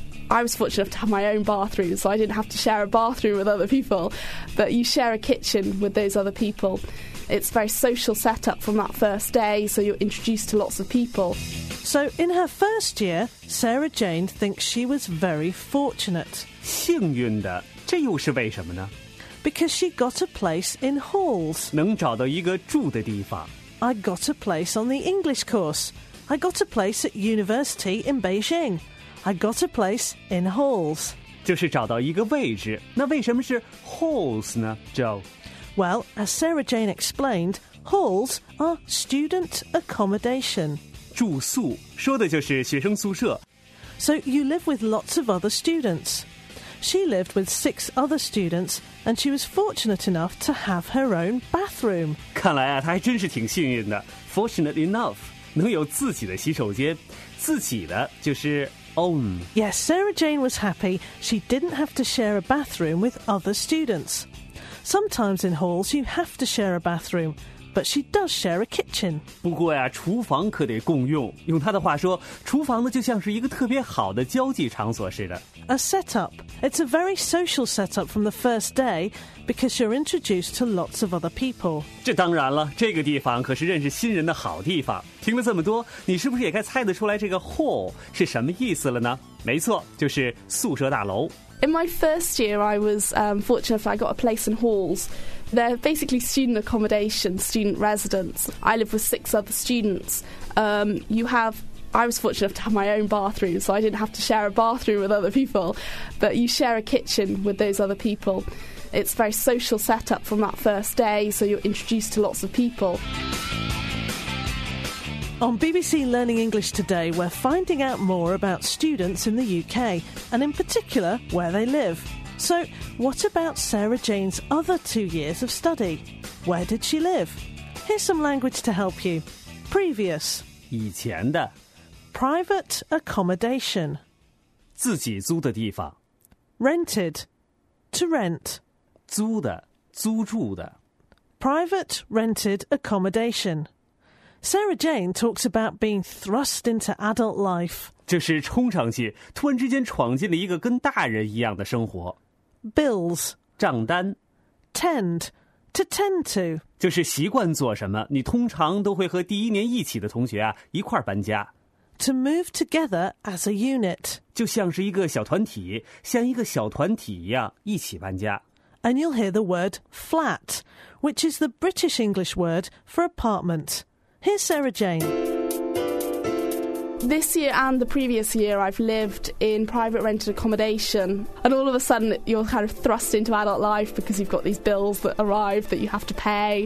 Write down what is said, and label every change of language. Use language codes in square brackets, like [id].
[en] I was fortunate enough to have my own bathroom, so I didn't have to share a bathroom with other people. But you share a kitchen with those other people. It's a very social setup from that first day, so you're introduced to lots of people. So in her first year, Sarah Jane thinks she was very fortunate. [zh] 幸运的，这又是为什么呢？ [en] Because she got a place in halls. [zh] 能找到一个住的地方。 [en] I got a place on the English course. I got a place at university in Beijing. I got a place in halls. [zh] 就是找到一个位置。那为什么是 halls 呢, Joe? [en] Well, as Sarah Jane explained, halls are student accommodation. [zh] 住宿,说的就是学生宿舍。 [en] So you live with lots of other students. She lived with six other students, and she was fortunate enough to have her own bathroom. [zh] 看来啊，她还真是挺幸运的。Fortunate enough, 能有自己的洗手间，自己的就是 own. [en] Yes, Sarah Jane was happy she didn't have to share a bathroom with other students. Sometimes in halls you have to share a bathroom, but she does share a kitchen. [zh] 不过呀，厨房可得共用。用她的话说，厨房呢就像是一个特别好的交际场所似的。 [en] A setup. It's a very social setup from the first day because you're introduced to lots of other people. [zh] 这当然了，这个地方可是认识新人的好地方。听了这么多，你是不是也该猜得出来这个 hall 是什么意思了呢？没错，就是宿舍大楼。 [en] In my first year, I was fortunate that I got a place in halls. They're basically student accommodation, student residence. I live with six other students. I was fortunate enough to have my own bathroom, so I didn't have to share a bathroom with other people. But you share a kitchen with those other people. It's a very social setup from that first day, so you're introduced to lots of people. On BBC Learning English today, we're finding out more about students in the UK, and in particular, where they live. So, what about Sarah Jane's other 2 years of study? Where did she live? Here's some language to help you. Previous. [zh] 以前的。 [en] Private accommodation. [zh] 自己租的地方。 [en] Rented. To rent. [zh] 租的,租住的。 [en] Private rented accommodation. Sarah Jane talks about being thrust into adult life. [zh] 就是冲上去,突然之间闯进了一个跟大人一样的生活。 [en] Bills. [zh] 账单。 [en] Tend. To tend to. [zh] 就是习惯做什么,你通常都会和第一年一起的同学啊,一块搬家。 [en] To move together as a unit. [zh] 就像是一个小团体,像一个小团体一样,一起搬家。 [en] And you'll hear the word flat, which is the British English word for apartment. Here's Sarah Jane. This year and the previous year I've lived in private rented accommodation. And all of a sudden you're kind of thrust into adult life because you've got these bills that arrive that you have to pay.